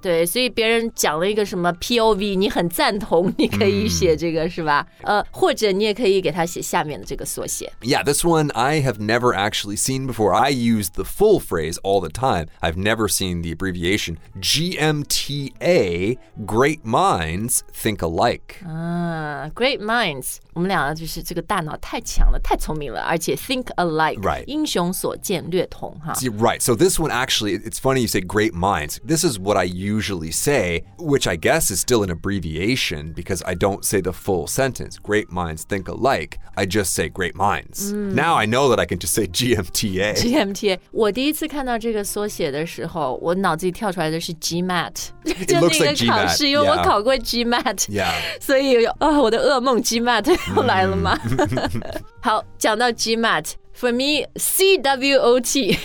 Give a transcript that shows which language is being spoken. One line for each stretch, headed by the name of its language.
Chinese: 对，所以别人讲了一个什么 POV， 你很赞同，你可以写这个、是吧？或者你也可以给他写下面的这个缩写。
English: Yeah, this one I have never actually seen before. I use the full phrase all the time. I've never seen the abbreviation GMTA. Great minds think alike. Great minds.
Chinese: 我们俩就是这个大脑太强了，太聪明了，而且
English: think alike. Right.
Chinese: 英雄所见略同、
English: See, right. So this one actually, it's funny you say great minds. This is what I usually say, which I guess is still an abbreviation because I don't say the full sentence. Great minds think alike. I just say great minds.、Now I know that I can just say GMTA. GMTA.
Chinese: 我第一次看到这个缩写的时候我脑子里跳出来的是 GMAT.
English: It looks like GMAT.
Chinese: 考试因为我考过 GMAT.
English: Yeah.
Chinese: 所以、我的噩梦 GMAT 又来了吗、好讲到 GMAT.
English: For me, C-W-O-T.